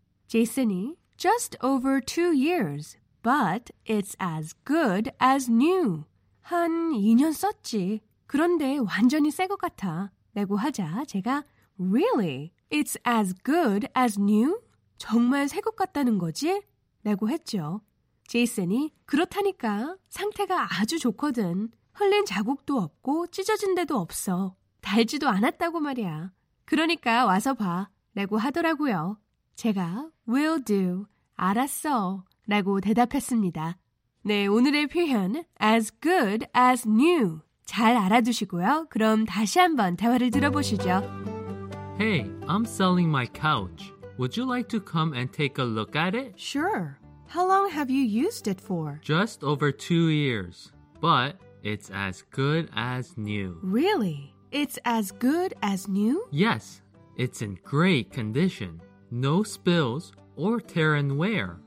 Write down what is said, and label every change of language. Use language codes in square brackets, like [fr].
[en] 제이슨이 Just over 2 years, but it's as good as new. [ko] 한 2년 썼지. 그런데 완전히 새 것 같아. 라고 하자 제가 [en] Really? It's as good as new? [ko] 정말 새 것 같다는 거지? 라고 했죠. 제이슨이 그렇다니까 상태가 아주 좋거든. 흘린 자국도 없고 찢어진 데도 없어. 달지도 않았다고 말이야. 그러니까 와서 봐. 라고 하더라고요. 제가 [en] will do, [ko] 알았어 라고 대답했습니다. 네, 오늘의 표현 as good as new 잘 알아두시고요. 그럼 다시 한번 대화를 들어보시죠. [en] Hey, I'm selling my couch. Would you like to come and take a look at it? Sure. How long have you used it for? Just over 2 years. But it's as good as new. Really? It's as good as new? Yes. It's in great condition. No spills or tear and wear.